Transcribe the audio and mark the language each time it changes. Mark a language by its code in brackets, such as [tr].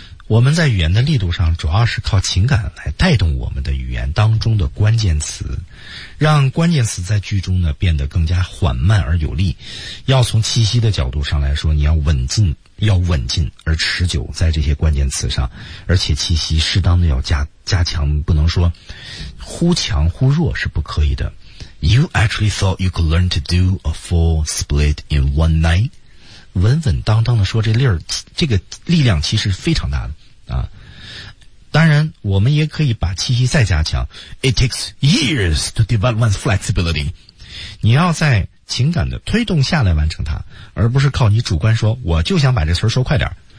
[zh] 我们在语言的力度上主要是靠情感来带动我们的语言当中的关键词，让关键词在句中呢变得更加缓慢而有力。要从气息的角度上来说，你要稳进而持久在这些关键词上，而且气息适当的要加强，不能说忽强忽弱是不可以的。 [en] You actually thought you could learn to do a full split in one night? [zh] 稳稳当当的说这粒儿，这个力量其实非常大的啊。当然，我们也可以把气息再加强。 [en] It takes years to develop one's flexibility。 [zh] 你要在情感的推动下来完成它，而不是靠你主观说我就想把这词儿说快点儿。